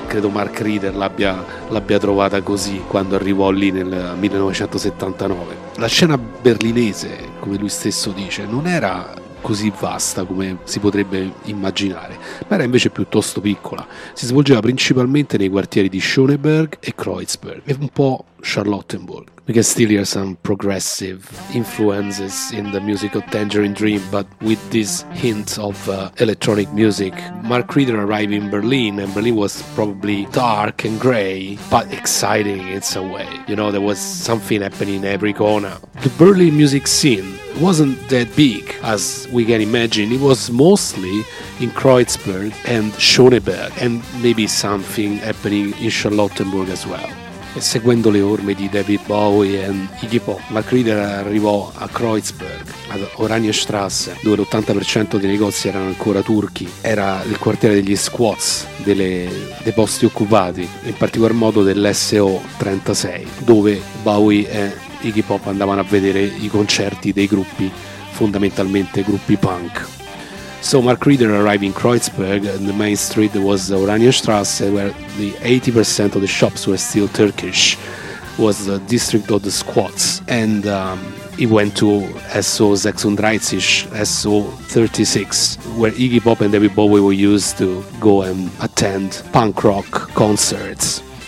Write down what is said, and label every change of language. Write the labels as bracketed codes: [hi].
[it] Credo Mark Reeder l'abbia trovata così quando arrivò lì nel 1979. La scena berlinese, come lui stesso dice, non era così vasta come si potrebbe immaginare, ma era invece piuttosto piccola. Si svolgeva principalmente nei quartieri di Schöneberg e Kreuzberg e un po' Charlottenburg. [en] We can still hear some progressive influences in the music of Tangerine Dream, but with this hint of electronic music. Mark Reeder arrived in Berlin, and Berlin was probably dark and grey, but exciting in some way. You know, there was something happening in every corner. The Berlin music scene wasn't that big, as we can imagine. It was mostly in Kreuzberg and Schöneberg, and maybe something happening in Charlottenburg as well. [it] E seguendo le orme di David Bowie e Iggy Pop, Mark Reeder arrivò a Kreuzberg, ad Oranienstrasse, dove l'80% dei negozi erano ancora turchi. Era il quartiere degli squats, dei posti occupati, in particolar modo dell'SO 36, dove Bowie e Iggy Pop andavano a vedere i concerti dei gruppi, fondamentalmente gruppi punk. [en] So Mark Reeder arrived in Kreuzberg, and the main street was the Oranienstrasse, where the 80% of the shops were still Turkish. It was the district of the squats, and he went to SO 36, SO 36, where Iggy Pop and David Bowie were used to go and attend punk rock concerts.